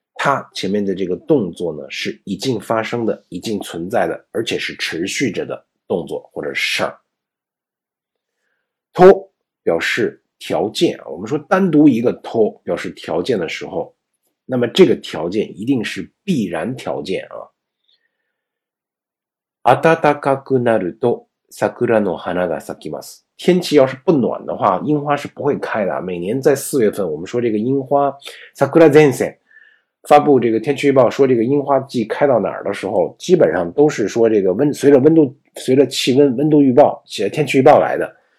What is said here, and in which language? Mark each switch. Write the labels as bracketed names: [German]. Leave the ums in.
[Chinese] 它前面的这个动作呢，是已经发生的、已经存在的，而且是持续着的动作或者事儿。 to 表示条件，我们说单独一个 to 表示条件的时候，那么这个条件一定是必然条件啊。 [Japanese] あたたかくなると桜の花が咲きます。 [Chinese] 天气要是不暖的话，樱花是不会开的。每年在四月份，我们说这个樱花桜の花。发布这个天气预报说，这个樱花季开到哪儿的时候，基本上都是说这个温随着温度随着气温温度预报写天气预报来的。